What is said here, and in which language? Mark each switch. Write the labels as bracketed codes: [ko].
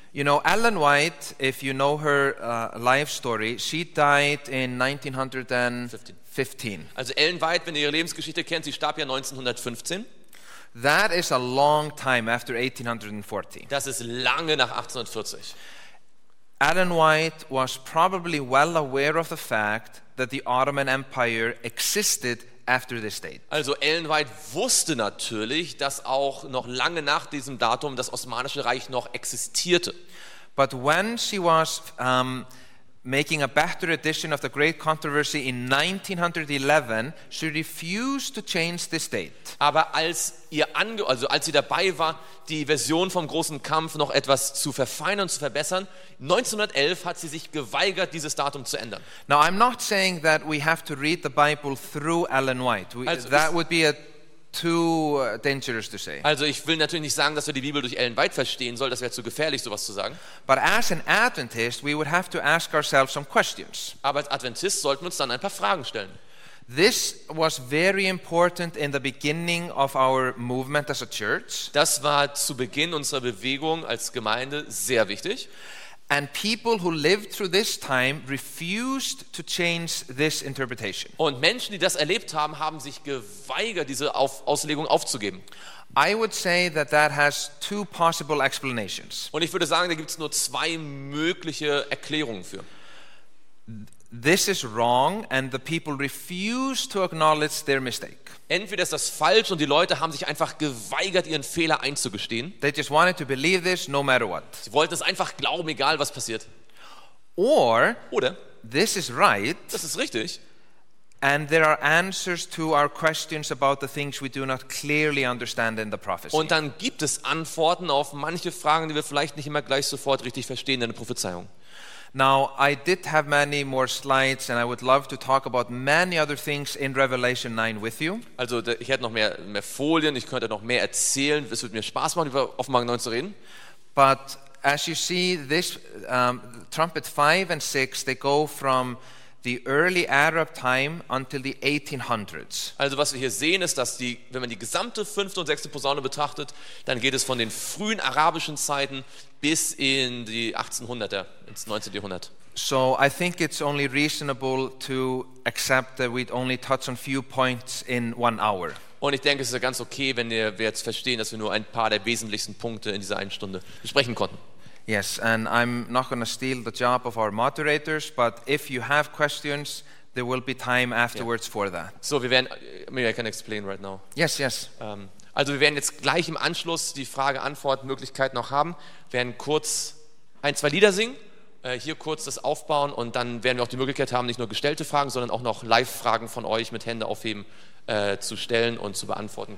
[en] You know, Ellen White, if you know her life story, she died in 1915. [de] Also Ellen White, wenn ihr ihre Lebensgeschichte kennt, sie starb ja 1915. [en] That is a long time after 1840. [de] Das ist lange nach 1840. [en] Ellen White was probably well aware of the fact that the Ottoman Empire existed after this date. [de] Also Ellen White wusste natürlich, dass auch noch lange nach diesem Datum das Osmanische Reich noch existierte. [en] But when she was making a better edition of the Great Controversy in 1911, she refused to change this date. [de] Aber als sie dabei war, die Version vom großen Kampf noch etwas zu verfeinern, zu verbessern, 1911 hat sie sich geweigert, dieses Datum zu ändern. [en] Now I'm not saying that we have to read the Bible through Ellen White. That would be a too dangerous to say. [de] Also ich will natürlich nicht sagen, dass wir die Bibel durch Ellen White verstehen soll, das wäre zu gefährlich, sowas zu sagen. [en] But as an Adventist, we would have to ask ourselves some questions. [de] Aber als Adventist sollten wir uns dann ein paar Fragen stellen. [en] This was very important in the beginning of our movement as a church. [de] Das war zu Beginn unserer Bewegung als Gemeinde sehr wichtig. [en] And people who lived through this time refused to change this interpretation. [de] Und Menschen, die das erlebt haben, haben sich geweigert, diese Auslegung aufzugeben. [en] I would say that that has two possible explanations. [de] Und ich würde sagen, da gibt es nur zwei mögliche Erklärungen für. [en] This is wrong and the people refuse to acknowledge their mistake. [de] Entweder ist das falsch und die Leute haben sich einfach geweigert, ihren Fehler einzugestehen. [en] They just wanted to believe this no matter what. [de] Sie wollten es einfach glauben, egal was passiert. [en] Oder this is right. [de] Das ist richtig. [en] And there are answers to our questions about the things we do not clearly understand in the prophecy. [de] Und dann gibt es Antworten auf manche Fragen, die wir vielleicht nicht immer gleich sofort richtig verstehen in der Prophezeiung. [en] Now I did have many more slides and I would love to talk about many other things in Revelation 9 with you. [de] Also ich hätte noch mehr Folien, ich könnte noch mehr erzählen, es würde mir Spaß machen über Offenbarung 9 zu reden. [en] But as you see, this trumpet 5 and 6, they go from the early Arab time until the 1800s. [de] Also was wir hier sehen ist, dass die, wenn man die gesamte 5. und 6. Posaune betrachtet, dann geht es von den frühen arabischen Zeiten bis in die 1800er, ins 19. Jahrhundert. [en] So I think it's only reasonable to accept that we'd only touch on few points in 1 hour. [de] Und ich denke, es ist ganz okay, wenn wir jetzt verstehen, dass wir nur ein paar der wesentlichsten Punkte in dieser einen Stunde besprechen konnten. [en] Yes, and I'm not going to steal the job of our moderators, but if you have questions, there will be time afterwards for that. So, [de] wir werden, [en] maybe I can explain right now. Yes, yes. [de] Also wir werden jetzt gleich im Anschluss die Frage-Antwort-Möglichkeit noch haben. Wir werden kurz ein, zwei Lieder singen, hier kurz das aufbauen und dann werden wir auch die Möglichkeit haben, nicht nur gestellte Fragen, sondern auch noch Live-Fragen von euch mit Hände aufheben zu stellen und zu beantworten.